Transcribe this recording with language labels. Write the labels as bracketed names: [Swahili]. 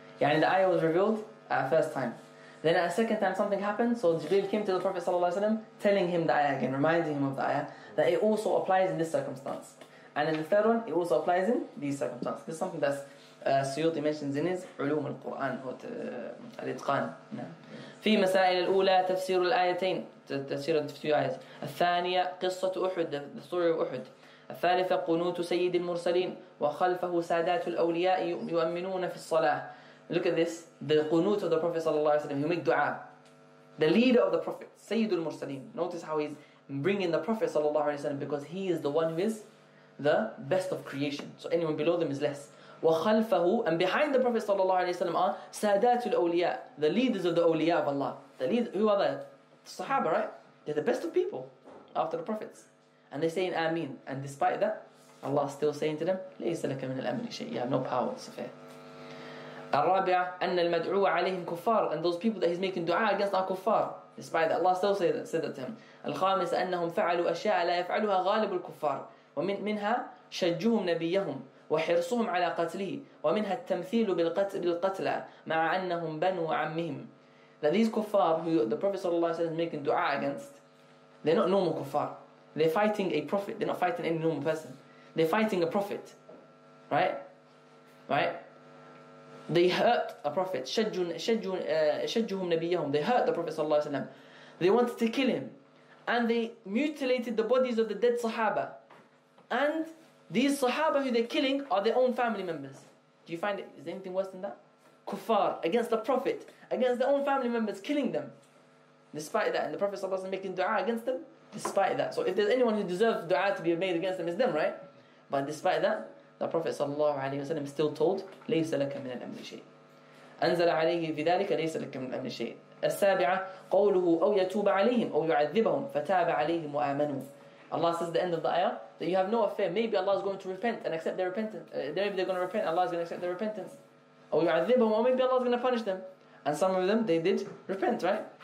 [English] Yeah, and the ayah was revealed at a first time. Then at a second time something happened, so Jibreel came to the Prophet ﷺ telling him the ayah again, reminding him of the ayah, that it also applies in this circumstance. And in the third one, it also applies in these circumstances. This is something that Suyuti mentions in his Ulum al-Qur'an, or al-Itqan. [Arabic] في مسائل الأولى تفسير الآيتين تفسير [English] two ayahs. [Arabic] الثانية قصة أحد, [English] the story of Uhud. [Arabic] الثالثة قنوت سيد المرسلين وخلفه سادات الأولياء يؤمنون في الصلاة. [English] Look at this, the qunut of the Prophet sallallahu alaihi wasallam, he make dua. The leader of the Prophet, Sayyidul Mursaleen. Notice how he's bringing the Prophet sallallahu alaihi wasallam, because he is the one who is the best of creation. So anyone below them is less. Wa khalfahu, and behind the Prophet sallallahu alaihi wasallam are sadatul awliya, the leaders of the awliya of Allah. The lead, who are they? The Sahaba, right? They're the best of people after the Prophets. And they say in Ameen. And despite that, Allah is still saying to them, [Arabic] laysa laka min al-amri shay, [English] you have no power, it's affair. [Arabic] الرابعة أن المدعو عليهم كفار, [English] and those people that he's making dua against are kuffar, despite that Allah still said that to him. [Arabic] الخامس أنهم فعلوا أشياء لا يفعلها غالب الكفار, ومن منها شجهم نبيهم وحرصهم على قتله, ومنها التمثيل بالقتل مع أنهم بنو عمهم. [English] That these kuffar who the Prophet صلى الله عليه وسلم is making dua against, they're not normal kuffar. They're fighting a prophet. They're not fighting any normal person. They're fighting a prophet, right? They hurt a prophet. [Arabic] شجهم نبيهم. [English] They hurt the Prophet صلى الله عليه وسلم. They wanted to kill him, and they mutilated the bodies of the dead Sahaba. And these Sahaba who they're killing are their own family members. Do you find it? Is there anything worse than that? Kuffar against the Prophet, against their own family members, killing them. Despite that, and the Prophet صلى الله عليه وسلم making du'a against them. Despite that, so if there's anyone who deserves du'a to be made against them, it's them, right? But despite that, the Prophet sallallahu alaihi wasallam still told, [Arabic] "Laysa laka min al-amri shay'." أنزل عليه في ذلك ليس لك من الأمر شيء. السابعة قوله أو يتوب عليهم أو يعذبهم فتاب عليهم وآمنوا. [English] Allah says at the end of the ayah that you have no affair. Maybe Allah is going to repent and accept their repentance. Maybe they're going to repent. Allah is going to accept their repentance. [Arabic] أو يعذبهم, [English] or maybe Allah is going to punish them. And some of them they did repent, right?